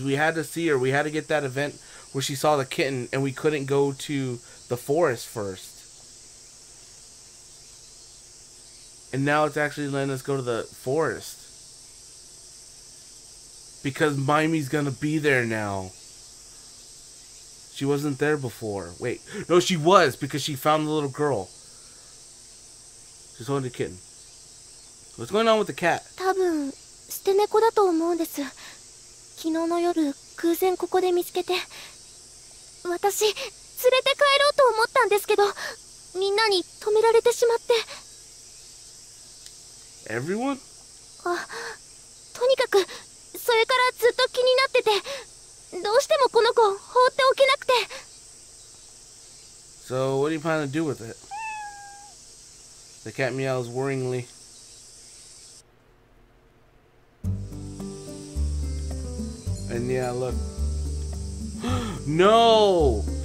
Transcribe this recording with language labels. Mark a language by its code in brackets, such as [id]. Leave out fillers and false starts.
[en] We had to see her. We had to get that event where she saw the kitten, and we couldn't go to the forest first. And now it's actually letting us go to the forest. Because Maimi's gonna be there now. She wasn't there before. Wait. No, she was, because she found the little girl. She's holding a kitten. What's going on with the cat? [ja] 多分、捨て猫だと思うんです。昨日の夜、偶然ここで見つけて。私、連れて帰ろうと思ったんですけど、みんなに止められてしまって。 [en] Everyone? [ja] あ、とにかく、それからずっと気になってて。どうしてもこの子、放っておけなくて。 [en] So, what do you plan to do with it? The cat meows worryingly. And yeah, look. No!